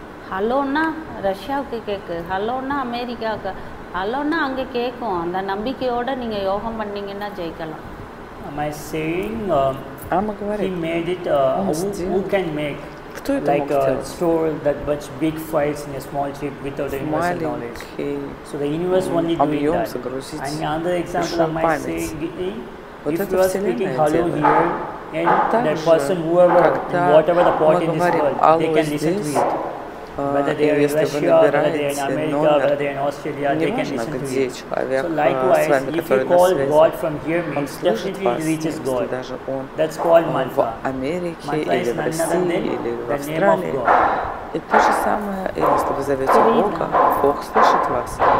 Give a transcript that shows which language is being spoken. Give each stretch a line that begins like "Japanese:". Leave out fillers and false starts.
Tamil: ஹலோன்னா ரஷ்யாவுக்கு கேட்கு, ஹலோன்னா அமெரிக்காவுக்கு, ஹலோன்னா அங்கே கேட்கும். அந்த நம்பிக்கையோடு நீங்கள் யோகம் பண்ணிங்கன்னா ஜெயிக்கலாம்.
English: Am I saying, he made it, who can make, like, store that much big files in a small chip without the universal knowledge? So the universe only doing that. And another example, am I saying, if you are speaking hello here, and that person, whoever, whatever the part in this world, they can listen to it.
Russian: Если вы набираете номер, неважно, где человек с вами, который на связи, он слышит вас, если даже он в Америке, или в России, или в Австралии. И то же самое, если вы зовете Бога, Бог слышит вас.